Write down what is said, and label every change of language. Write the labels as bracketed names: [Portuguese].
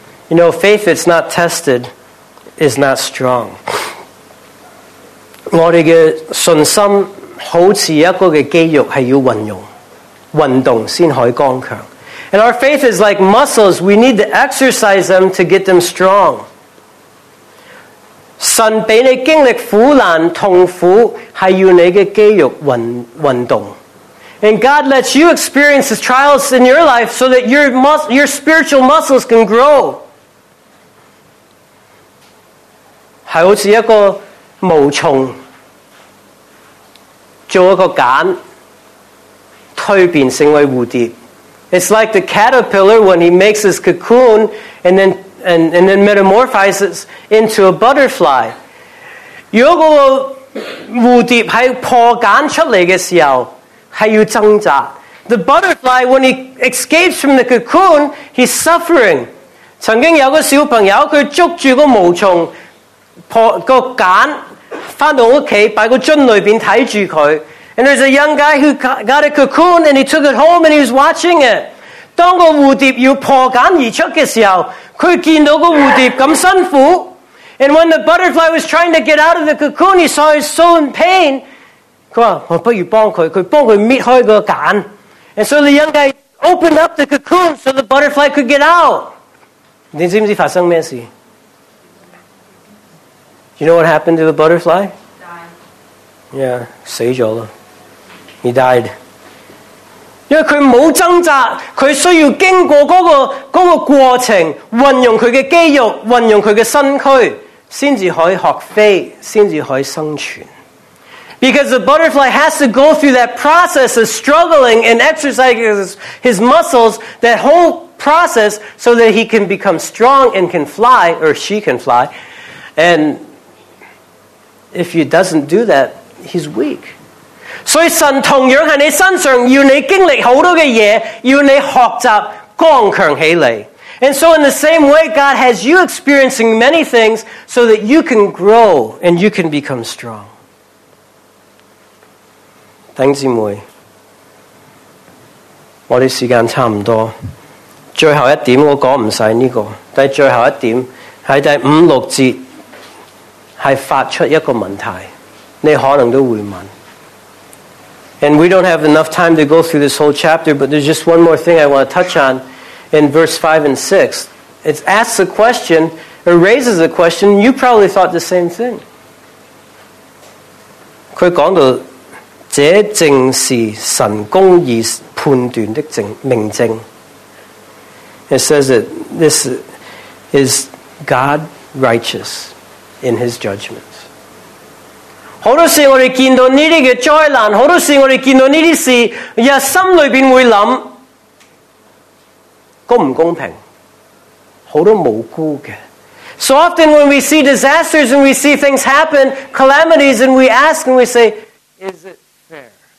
[English] You know, faith that's not tested is not strong. [Cantonese] 我们的信心好似一个嘅肌肉，系要运用运动先可以刚强。 [English] And our faith is like muscles; we need to exercise them to get them strong. [Cantonese] 神俾你经历苦难痛苦，系要你嘅肌肉运动。 [English] And God lets you experience the trials in your life so that your spiritual muscles can grow. [Cantonese] 系好似一个毛虫。做一个茧，蜕变成为蝴蝶。 [English] It's like the caterpillar when he makes his cocoon and then metamorphizes into a butterfly. [Cantonese] 如果个蝴蝶喺破茧出嚟嘅时候，系要挣扎。 [English] The butterfly when he escapes from the cocoon, he's suffering. [Cantonese] 曾经有个小朋友，佢捉住个毛虫，破个茧。回到家摆个樽里边睇住佢。 [English] And there's a young guy who got a cocoon and he took it home and he was watching it. [Cantonese] 当个蝴蝶要破茧而出嘅时候，佢见到个蝴蝶咁辛苦。 [English] And when the butterfly was trying to get out of the cocoon, he saw it so in pain. [Cantonese] 佢话：我不如帮佢，佢帮佢搣开个茧。 [English] And so the young guy opened up the cocoon so the butterfly could get out. [Cantonese] 你知唔知发生咩事？ [English] You know what happened to the butterfly? Died. [Cantonese] Yeah, 死咗啦。 [English] He died. [Cantonese] 因为佢冇挣扎，佢需要经过嗰个过程，运用佢嘅肌肉，运用佢嘅身躯，先至可以学飞，先至可以生存。 [English] Because the butterfly has to go through that process of struggling and exercising his muscles, that whole process, so that he can become strong and can fly, or she can fly, and if he doesn't do that, he's weak. [Cantonese] 所以神同样在你身上要你经历好多的事，要你学习刚强起来。 [English] And so in the same way, God has you experiencing many things so that you can grow and you can become strong. [Cantonese] 弟兄姊妹，我的时间差不多，最后一点我讲不完这个，但最后一点在第五六节是发出一个问题，你可能都会问。 [English] And we don't have enough time to go through this whole chapter, but there's just one more thing I want to touch on in verse 5 and 6. It asks a question, it raises a question, you probably thought the same thing. [Cantonese] 他讲到，这正是神公义判断的明证。 [English] It says that this is God righteous in his judgments. [Cantonese] 好多时我们见到这些灾难，好多时我们见到这些事，也心里面会想，公不公平？好多无辜的。 [English] So often when we see disasters and we see things happen, calamities, and we ask and we say, is it fair?